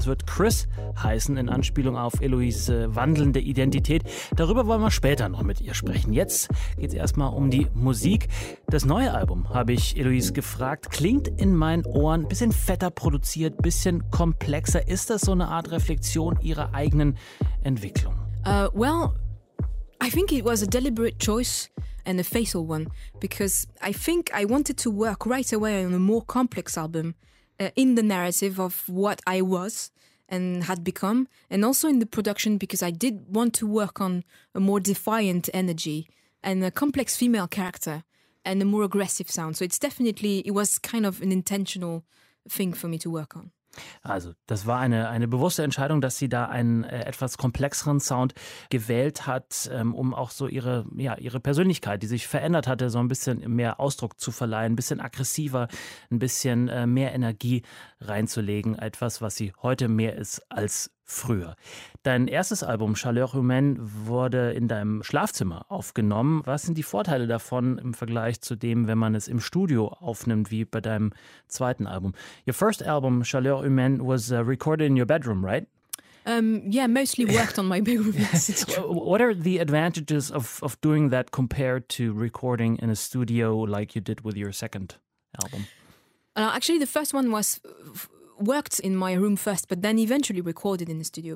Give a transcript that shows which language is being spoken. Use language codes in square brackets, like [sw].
[de] Das wird Chris heißen, in Anspielung auf Eloise wandelnde Identität. Darüber wollen wir später noch mit ihr sprechen. Jetzt geht es erstmal um die Musik. Das neue Album, habe ich Eloise gefragt, klingt in meinen Ohren ein bisschen fetter produziert, ein bisschen komplexer. Ist das so eine Art Reflexion ihrer eigenen Entwicklung? [en] Well, I think it was a deliberate choice and a fatal one, because I think I wanted to work right away on a more complex album in the narrative of what I was and had become, and also in the production, because I did want to work on a more defiant energy and a complex female character and a more aggressive sound. So it's definitely, it was kind of an intentional thing for me to work on. [de] Also, das war eine bewusste Entscheidung, dass sie da einen etwas komplexeren Sound gewählt hat, um auch so ihre Persönlichkeit, die sich verändert hatte, so ein bisschen mehr Ausdruck zu verleihen, ein bisschen aggressiver, ein bisschen mehr Energie reinzulegen, etwas, was sie heute mehr ist als früher. Dein erstes Album, Chaleur Humaine, wurde in deinem Schlafzimmer aufgenommen. Was sind die Vorteile davon im Vergleich zu dem, wenn man es im Studio aufnimmt, wie bei deinem zweiten Album? [en] Your first album, Chaleur Humaine, was recorded in your bedroom, right? Yeah, mostly worked on my bedroom. What are the advantages of doing that compared to recording in a studio like you did with your second album? Actually, the first one was worked in my room first, but then eventually recorded in the studio.